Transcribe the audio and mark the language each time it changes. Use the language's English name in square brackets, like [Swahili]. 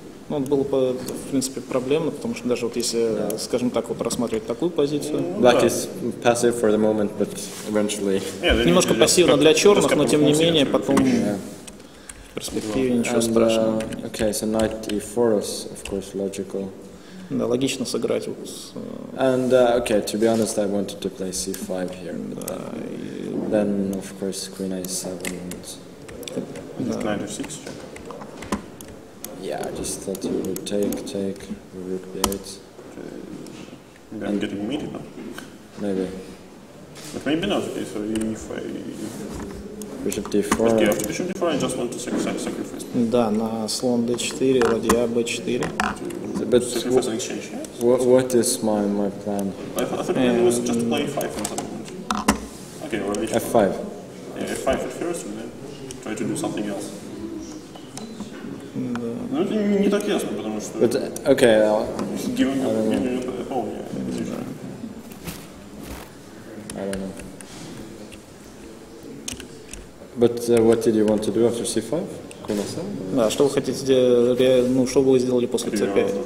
[Russian] Ну, было бы, в принципе, проблема, потому что даже вот если, скажем так, вот рассматривать такую позицию... [English] Black is passive for the moment, but eventually... [Russian] Немножко пассивно для черных, но тем не менее, потом... В перспективе ничего страшного. [English] Okay, so knight e4 is, of course, logical. [Russian] Да, логично сыграть. [English] And, okay, to be honest, I wanted to play c5 here. But then, of course, queen a7. Knight f6. Yeah, I just thought he would take, rook b8. Maybe I'm getting meaty now. Maybe. But maybe not, okay, so if I... Bishop d4. Okay, after bishop d4, I just want to sacrifice. [Russian] Да, на слон d4, ладья b4. [English] But what is my plan? I thought it was just to play f5 at some point. Okay, or h4. f5. Yeah, f5 at first, and then try to do something else. [Russian] Ну, это не так ясно, потому что... [English] But, okay, given the pawn, yeah. But what did you want to do after c5? Queen of 7? [Russian] Да, что вы хотите сделать, ну, что вы сделали после c5?